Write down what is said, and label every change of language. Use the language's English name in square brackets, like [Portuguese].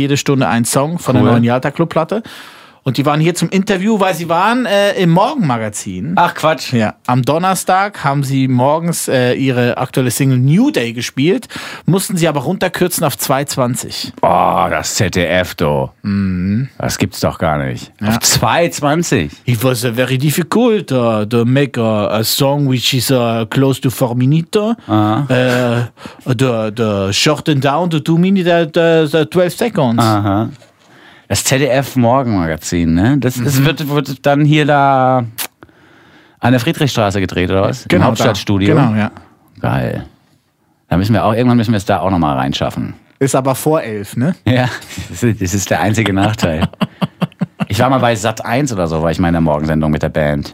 [German] Jede Stunde ein Song von der neuen Yalta Club-Platte. Und die waren hier zum Interview, weil sie waren im Morgenmagazin. Ach Quatsch. Ja, am Donnerstag haben sie morgens ihre aktuelle Single New Day gespielt, mussten sie aber runterkürzen auf 2:20. Boah, das ZDF, du. Mhm. Das gibt's doch gar nicht. Ja. Auf 2:20. [English] It was very difficult to make a song which is close to 4 minutes. The shorten down to 2 minutes at 12 seconds. [German] Aha. Das ZDF-Morgenmagazin, ne? Das ist, wird dann hier da an der Friedrichstraße gedreht, oder was? Genau. Im Hauptstadtstudio. Genau, ja. Geil. Da müssen wir auch, irgendwann müssen wir es da auch nochmal reinschaffen. Ist aber vor 11, ne? Ja, das ist der einzige Nachteil. Ich war mal bei Sat.1 oder so, war ich mal in der Morgensendung mit der Band.